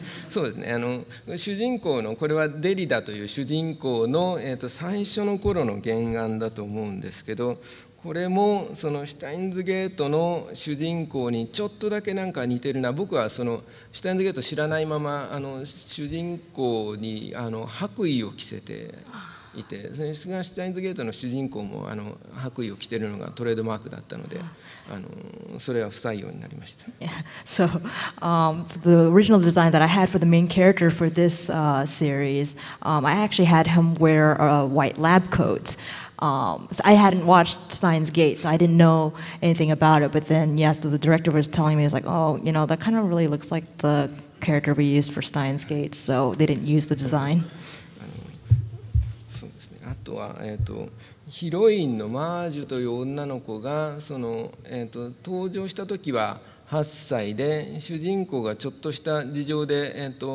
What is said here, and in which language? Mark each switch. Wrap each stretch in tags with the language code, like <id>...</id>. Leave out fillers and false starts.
<ja>そうですね、主人公の、これはデリダという主人公の、最初の頃の原案だと思うんですけど、これもそのシュタインズゲートの主人公にちょっとだけなんか似てるな、僕はそのシュタインズゲート知らないまま、主人公に白衣を着せていて、それがシュタインズゲートの主人公も白衣を着てるのがトレードマークだったので。それは不採用になりました。</ja> <en>So the original design that I had for the main character for this series, I actually had him wear a white lab coat. So I hadn't watched Steins Gate, so I didn't know anything about it. But then, yes, the director was telling me, he was like, oh, you know, that kind of really looks like the character we used for Steins Gate. So they didn't use the design.</en> <ja>そうですね。あとは、ヒロインのマージュという女の子がその、登場した時は8歳で、主人公がちょっとした事情で、</ja>